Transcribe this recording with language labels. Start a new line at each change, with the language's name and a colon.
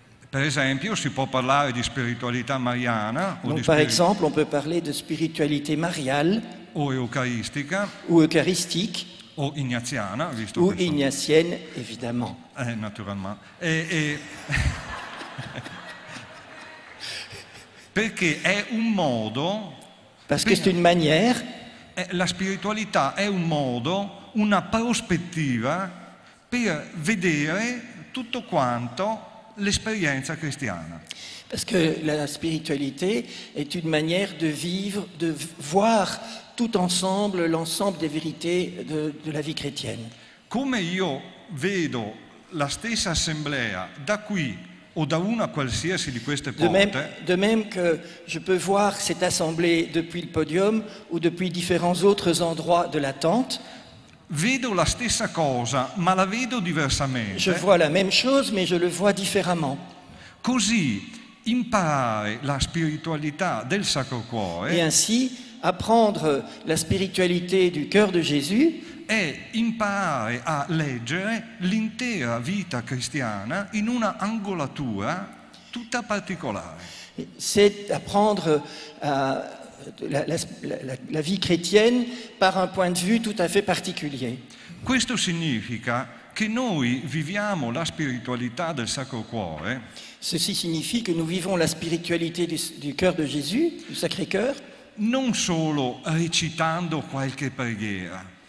Italian: Per esempio, si può parlare di spiritualità mariana.
French: On peut parler de spiritualité mariale.
Italian: O eucaristica.
French: Ou eucharistique. Ou ignatienne, visto ou ignatienne, évidemment. Naturellement. Et...
Italian: Perché è un modo...
French: Parce que c'est une manière...
Italian: La spiritualità è un modo, una prospettiva per vedere tutto quanto l'esperienza cristiana.
French: Parce que la spiritualité est une manière de vivre, de voir tout ensemble l'ensemble des vérités de la vie chrétienne.
Italian: Come io vedo la stessa assemblea da qui o da una qualsiasi di queste porte.
French: De même que je peux voir cette assemblée depuis le podium ou depuis différents autres endroits de la tente.
Italian: Vedo la stessa cosa, ma la vedo diversamente.
French: Je vois la même chose, mais je le vois différemment.
Italian: Così imparare la spiritualità del Sacro Cuore.
French: Et ainsi apprendre la spiritualité du cœur de Jésus.
Italian: È imparare a leggere l'intera vita cristiana in una angolatura tutta particolare.
French: C'est apprendre la vie chrétienne par un point de vue tout à fait particulier.
Italian: Questo significa che noi viviamo la spiritualità del Sacro Cuore.
French: Ceci signifie que nous vivons la spiritualité du cœur de Jésus, du Sacré Cœur.
Italian: Non solo recitando qualche preghiera.